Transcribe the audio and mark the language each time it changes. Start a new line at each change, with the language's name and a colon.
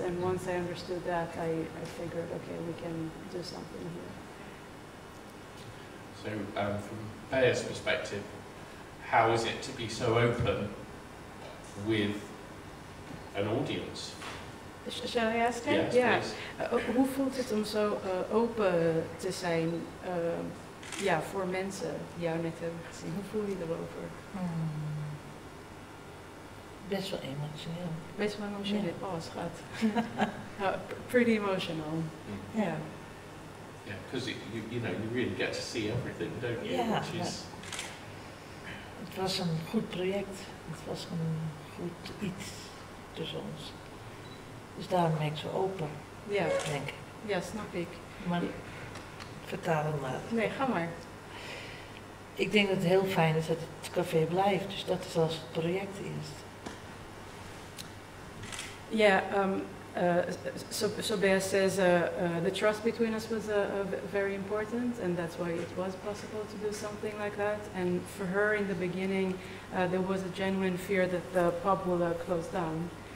English: And once I understood that, I figured, okay, we can do something here. So, from Bea's perspective, how is it to be so open with an audience? Shall I ask her? Yes, yeah.
Dutch: Hoe voelt het om zo open te zijn? Ja, voor mensen die jou net hebben gezien. Hoe voel je erover? Best wel emotioneel. Best wel emotioneel. Yeah. Oh, schat.
English: pretty emotional. Yeah. Yeah, because you know, you really get to see everything, don't you? Yeah.
Dutch: Het was een goed project. Het was een goed iets tussen ons. Dus daarom ben ik zo open, denk ik. Ja, snap ik. Maar vertaal hem maar. Nee, ga maar. Ik denk dat het heel fijn is dat het café blijft, dus dat is als het project eerst.
English: Ja, so Bea says the trust between us was very important, and that's why it was possible to do something like that. And for her in the beginning, there was a genuine fear that the pub will close down.